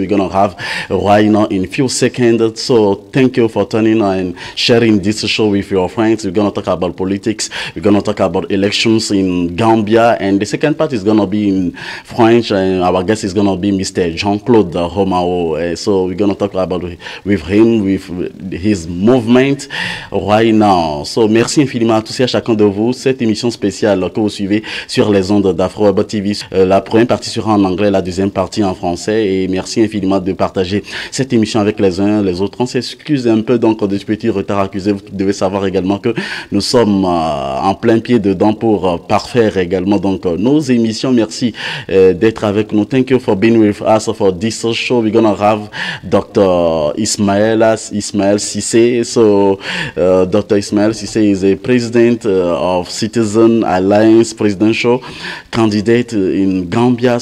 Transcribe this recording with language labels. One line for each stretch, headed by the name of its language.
English: We're going to have Rhino in a few seconds. So thank you for turning and sharing this show with your friends. We're going to talk about politics. We're going to talk about elections in Gambia. And the second part is going to be in French. And our guest is going to be Mr. Jean-Claude Homao. So we're going to talk about with him, with his movement right now.
French: So merci infiniment à tous et à chacun de vous. Cette émission spéciale que vous suivez sur les ondes d'Afro Web TV. La première partie sera en anglais, la deuxième partie en français. Et merci infiniment de partager cette émission avec les uns les autres. On s'excuse un peu donc du petit retard accusé. Vous devez savoir également que nous sommes en plein pied dedans pour parfaire également donc nos émissions. Merci d'être avec nous.
English: Thank you for being with us for this show. We're gonna have Dr. Ismaila Ceesay. So Dr. Ismaila Ceesay is a president of Citizen Alliance presidential candidate in Gambia.